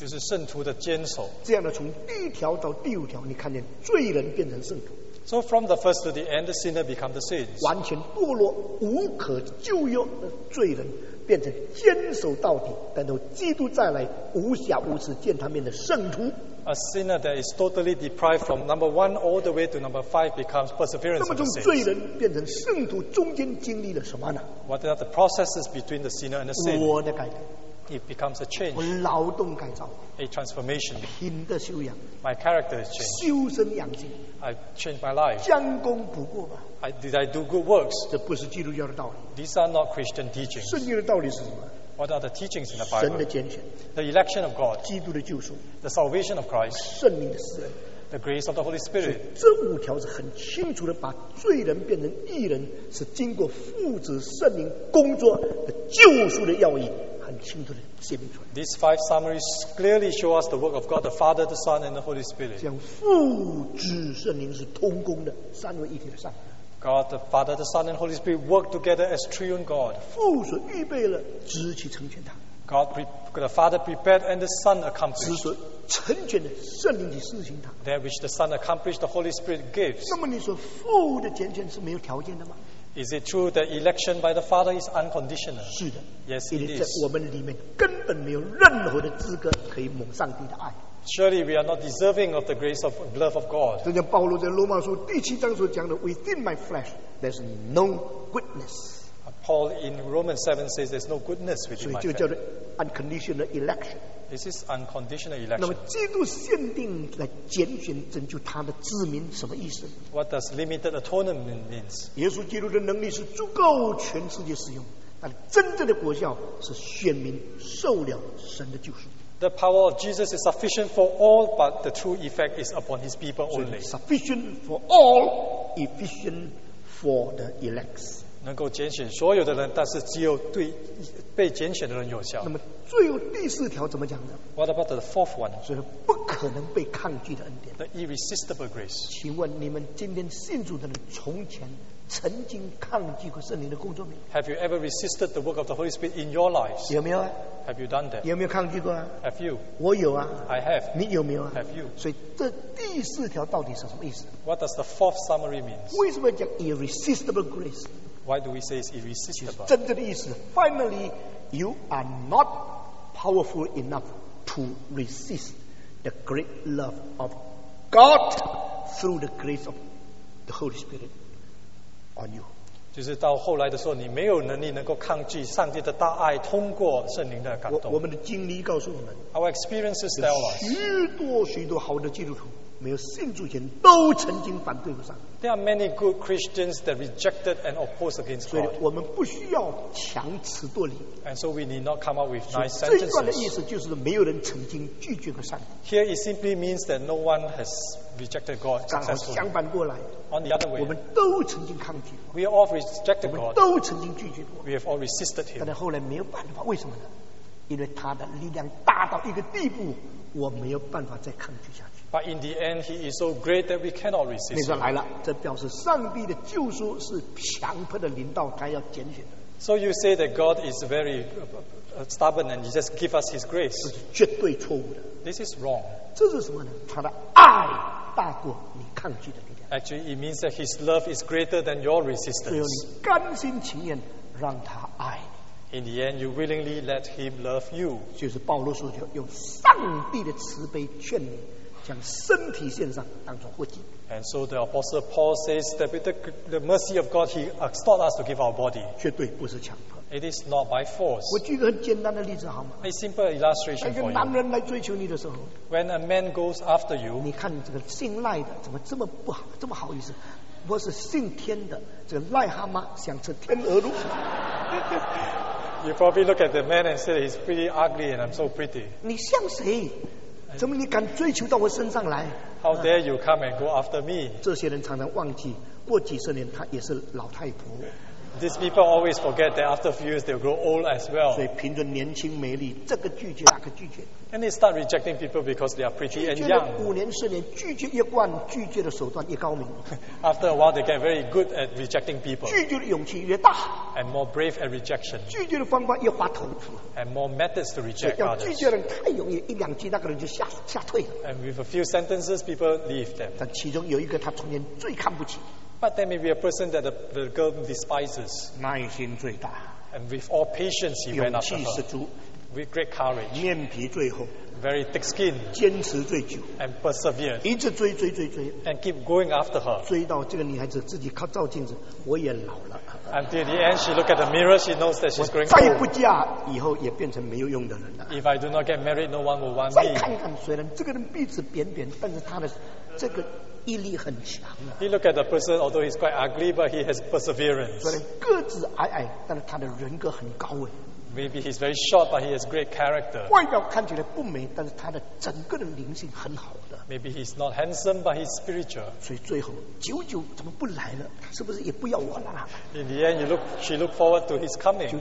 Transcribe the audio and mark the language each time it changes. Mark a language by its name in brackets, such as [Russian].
[Chinese] 就是圣徒的坚守。这样呢，从第一条到第五条，你看见罪人变成圣徒。 [English] So from the first to the end, the sinner become the saints. [Chinese] 完全堕落、无可救药的罪人变成坚守到底、等到基督再来、无瑕无疵见他面的圣徒。 [English] A sinner that is totally deprived from number one all the way to number five becomes perseverance of the saints. [Chinese] 那么从罪人变成圣徒中间经历了什么呢？ [English] What are the processes between the sinner and the saint? [Chinese] 我的改变。 [English] It becomes a change. [Chinese] 我劳动改造。 [English] A transformation. [Chinese] 品德修养。 [English] My character is changed. [Chinese] 修身养性。 [English] I changed my life. [Chinese] 将功补过吧。 [English] Did I do good works? [Chinese] 这不是基督教的道理。 [English] These are not Christian teachings. [Chinese] 圣经的道理是什么？ [English] What are the teachings in the Bible? [Chinese] 神的拣选, [English] the election of God, [Chinese] 基督的救赎, [English] the salvation of Christ, [Chinese] 圣灵的施恩, [English] the grace of the Holy Spirit. [Chinese] 这五条是很清楚的把罪人变成义人是经过父子圣灵工作的救赎的要义很清楚的写明出来。 [English] These 5 summaries clearly show us the work of God, the Father, the Son, and the Holy Spirit. [Chinese] 像父子圣灵是同工的三位一体的上帝。 [English] God, the Father, the Son, and Holy Spirit work together as triune God. [Chinese] 父所预备了，子去成全他。 [English] God, the Father prepared and the Son accomplished. [Chinese] 子所成全的，圣灵去施行他。 [English] That which the Son accomplished, the Holy Spirit gives. [Chinese] 那么你说父的拣选是没有条件的吗？ [English] Is it true that election by the Father is unconditional? [Chinese] 是的。 [English] Yes, it is. [Chinese] 在我们里面根本没有任何的资格可以蒙上帝的爱。 [English] Surely we are not deserving of the grace of love of God. [Chinese] 就像保罗在罗马书第七章所讲的 ， [English] Within my flesh, there's no goodness. Paul in Romans 7 says there's no goodness within my flesh. [Chinese] 所以就叫做 [English] unconditional election. This is unconditional election. [Chinese] 那么基督限定来拣选拯救他的子民什么意思 [English] ？What does limited atonement means? [Chinese] 耶稣基督的能力是足够全世界使用，但真正的果效是选民受了神的救赎。 [English] The power of Jesus is sufficient for all, but the true effect is upon his people only. Sufficient for all, efficient for the elect. [Chinese] 能够拣选所有的人，但是只有对被拣选的人有效。那么最后第四条怎么讲呢？ [English] What about the fourth one? [Chinese] 就是不可能被抗拒的恩典。 [English] The irresistible grace. [Chinese] 请问你们今天信主的人从前曾经抗拒过圣灵的工作吗？ [English] Have you ever resisted the work of the Holy Spirit in your lives? [Chinese] 有没有啊？ [English] Have you done that? [Chinese] 有没有抗拒过啊？ [English] Have you? [Chinese] 我有啊。 [English] I have. [Chinese] 你有没有啊？ [English] Have you? [Chinese] 所以这第四条到底是什么意思？ [English] What does the fourth summary mean? [Chinese] 为什么讲 [English] irresistible grace? Why do we say it's irresistible? [Chinese] 真正的意思， [English] finally, you are not powerful enough to resist the great love of God through the grace of the Holy Spirit. On you. [Chinese] 就是到后来的时候，你没有能力能够抗拒上帝的大爱，通过圣灵的感动。我们的经历告诉我们 [English] ，Our experiences tell us， [Chinese] 许多许多好的基督徒，没有信主前都曾经反对过上帝。 [English] There are many good Christians that rejected and opposed against God。 [Chinese] 所以我们不需要强词夺理。 [English] And so we need not come up with nice sentences。 [Chinese] 这一段的意思就是没有人曾经拒绝过上帝。 [English] Here it simply means that no one has rejected God successfully。 [Chinese] 相反过来。 [English] On the other way， [Chinese] 我们都曾经抗拒。 [English] We all rejected God。 [Chinese] 我们都曾经拒绝过。 [English] We have all resisted Him。 [Chinese] 但是后来没有办法，为什么呢？因为他的力量大到一个地步，我没有办法再抗拒下去。 [English] But in the end, he is so great that we cannot resist. [Chinese] 你说来了，这表示上帝的救赎是强迫的临到他要拣选的。 [English] So you say that God is very stubborn and he just give us his grace. [Chinese] 这是绝对错误的。 [English] This is wrong. [Chinese] 这是什么呢？他的爱大过你抗拒的力量。 [English] Actually, it means that his love is greater than your resistance. [Chinese] 只有你甘心情愿让他爱。 [English] In the end, you willingly let him love you. [Chinese] 就是保罗说就用上帝的慈悲劝你将身体献上当作活祭。 [English] And so the apostle Paul says that with the mercy of God, he taught us to give our body. [Chinese] 绝对不是强迫。 [English] It is not by force. [Chinese] 我举个很简单的例子好吗？ [English] A simple illustration for you. [Chinese] 当一个男人来追求你的时候， [English] When a man goes after you, [Chinese] 你看这个信赖的怎么这么不好，这么好意思？我是信天的，这个癞蛤蟆想吃天鹅肉。 [English] You probably look at the man and say he's pretty ugly and I'm so pretty. [Chinese] 你像谁？怎么你敢追求到我身上来？ [English] How dare you come and go after me? [Chinese] 这些人常常忘记，过几十年他也是老太婆。 [English] These people always forget that after a few years they'll grow old as well. [Chinese] 所以凭着年轻美丽，这个拒绝那个拒绝。 [English] And they start rejecting people because they are pretty and young. [Chinese] 五年十年，拒绝一贯，拒绝的手段越高明。 [English] After a while, they get very good at rejecting people. [Chinese] 拒绝的勇气越大。 [English] And more brave at rejection. [Chinese] 拒绝的方法越滑头。 [English] And more methods to reject others. [Chinese] 拒绝人太容易，一两句那个人就吓退了。 [English] And with a few sentences, people leave them. [Chinese] 但其中有一个他从前最看不起。 [English] But there may be a person that the girl despises. [Chinese] 耐心最大。 [English] And with all patience, he went after her. [Chinese] 勇气十足。 [English] With great courage, [Chinese] 面皮最厚 [English] very thick skin, [Chinese] 坚持最久 [English] and persevere, [Chinese] 一直追追追追 [English] and keep going after her, [Chinese] 追到这个女孩子自己靠照镜子，我也老了 [English] until the end, she looked at the mirror, she knows that she's growing old. [Chinese] 再不嫁，以后也变成没有用的人了。 [English] If I do not get married, no one will want me. [Chinese] 再看看，虽然这个人鼻子扁扁，但是他的这个毅力很强啊。 [English] He looked at the person, although he's quite ugly, but he has perseverance. [Chinese] 虽然个子矮矮，但是他的人格很高哎。 [English] Maybe he's very short, but he has great character. [Chinese] 外表看起来不美，但是他的整个的灵性很好的。 [English] Maybe he's not handsome, but he's spiritual. [Chinese] 所以最后，久久怎么不来了？是不是也不要我了？ [English] In the end, she looked forward to his coming.